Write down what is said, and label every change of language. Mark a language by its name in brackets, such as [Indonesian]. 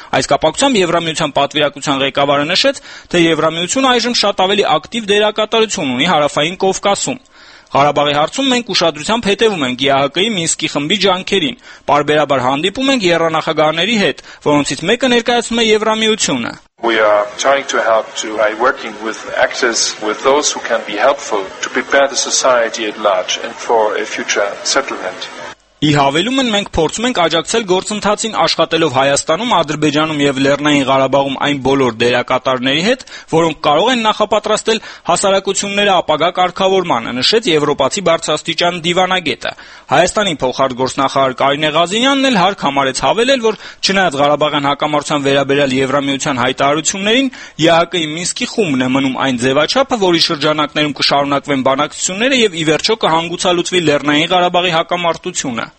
[Armenian] Այս կապակցությամբ Եվրամիության պատվիրակության ղեկավարը նշեց, թե Եվրամիությունը այժմ շատ ավելի ակտիվ դերակատարություն ունի հարավային Կովկասում։ Ղարաբաղի հարցում մենք ուշադրությամբ հետևում ենք ԵԱՀԿ-ի Մինսկի խմբի ջանքերին, պարբերաբար հանդիպում ենք երրանախագահների հետ, որոնցից մեկը ներկայացնում է Եվրամիությունը։ [English] We are trying to help to by working with actors, with those who can be helpful to prepare the society at large and for a future settlement. [Armenian] Ի հավելում են, մենք փորձում ենք աջակցել գործընթացին աշխատելով Հայաստանում, Ադրբեջանում և Լեռնային Ղարաբաղում այն բոլոր դերակատարների հետ, որոնք կարող են նախապատրաստել հասարակությունների ապագա կարգավորմանը, նշեց Եվրոպացի բարձրաստիճան դիվանագետը։ Հայաստանի փոխարտ գործնախարար Կարինե Ղազինյանն էլ հարկ համարեց հավելել, որ չնայած Ղարաբաղյան հակամարտության վերաբերյալ Եվրամիության հայտարարություններին, ԵԱՀԿ-ի Մինսկի խումբն է մնում այն ձևաչափը, որի շրջանակներում կշարունակվեն բանակցությունները և ի վերջո կհանգուցալուծվի Լեռնային Ղարաբաղի հակամարտությունը։